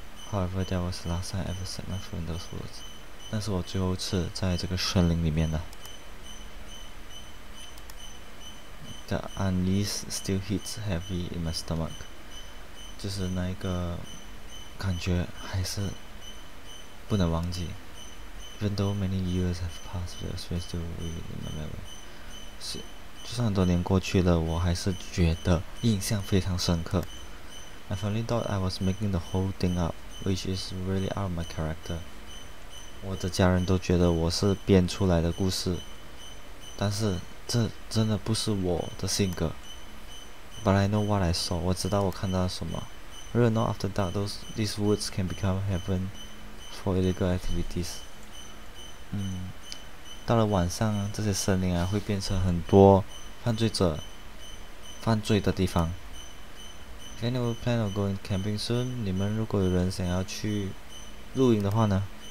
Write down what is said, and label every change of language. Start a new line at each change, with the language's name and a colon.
English: However, that was the last time I ever set my foot in those woods.
Chinese: 那是我最后一次在这个森林里面的。
English: The unease still hits heavy in my stomach，
Chinese: 就是那一个感觉还是不能忘记。
English: Even though many years have passed, the experience still vivid in my memory，
Chinese: 是，就算很多年过去了，我还是觉得印象非常深刻。
English: I finally thought I was making the whole thing up, which is really out of my character.
Chinese: 我的家人都觉得我是编出来的故事，但是这真的不是我的性格。
English: But I know what I saw.
Chinese: 我知道我看到了什么。
English: Really not after that, these woods can become heaven for illegal activities.
Chinese: 到了晚上，这些森林啊会变成很多犯罪的地方。
English: Can you plan on going camping soon?
Chinese: 你们如果有人想要去露营的话呢？